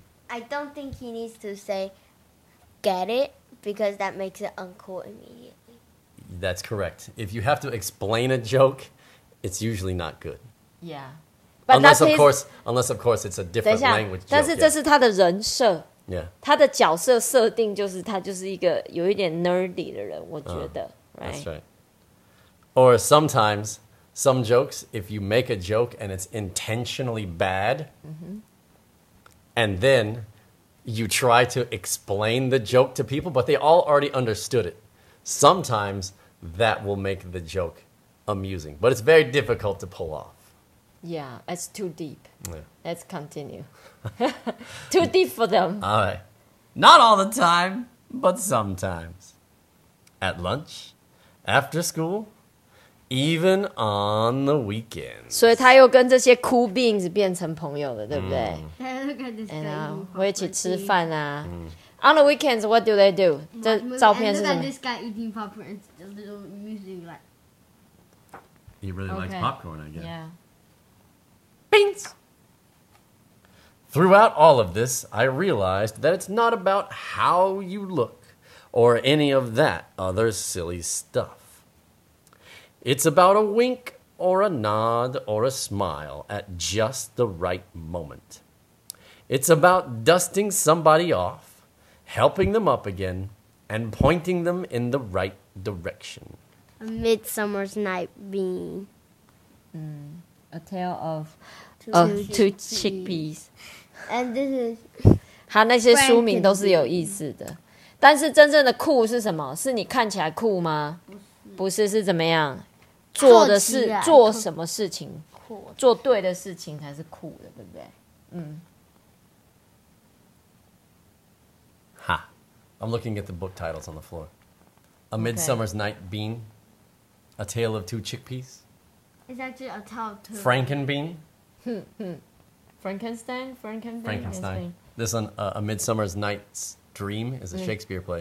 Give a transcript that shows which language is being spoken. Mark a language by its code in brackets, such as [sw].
[en] Wait. I don't think he needs to say get it because that makes it uncool immediately. That's correct. If you have to explain a joke, it's usually not good. Yeah. But unless, of course, it's a different language joke. [zh] 但是这是他的人设。 [en] Yeah. [zh] 他的角色设定就是他就是一个有一点 nerdy 的人，我觉得。 [en] Right? That's right. Or sometimes, some jokes, if you make a joke and it's intentionally bad, and then you try to explain the joke to people, but they all already understood it. Sometimes that will make the joke amusing, but it's very difficult to pull off. Yeah, it's too deep. Yeah. Let's continue. Too deep for them. All right. Not all the time, but sometimes. At lunch, after school, even on the weekends. [zh] 所以他又跟这些 cool beans 变成朋友了，对不对？他又跟这些 cool beans 会一起吃饭啊。 [en] On the weekends, what do they do? The [zh] 照片是什么 [en] This guy eating popcorn is a little amusing. He really likes popcorn, I guess. Yeah. Beans! Throughout all of this, I realized that it's not about how you look or any of that other silly stuff. It's about a wink or a nod or a smile at just the right moment. It's about dusting somebody off, helping them up again, and pointing them in the right direction. A Midsummer's Night Bean. A tale of two chickpeas. And this is... [zh] 他那些书名都是有意思的。但是真正的酷是什么？是你看起来酷吗？不是。不是，是怎么样？做的是做什么事情？做对的事情才是酷的，对不对？嗯。 [en] I'm looking at the book titles on the floor. A Midsummer's Night Bean. A Tale of Two Chickpeas. It's actually a tale of two. Frankenbean. Frankenstein? Frankenstein. This one, A Midsummer's Night's Dream is a Shakespeare play.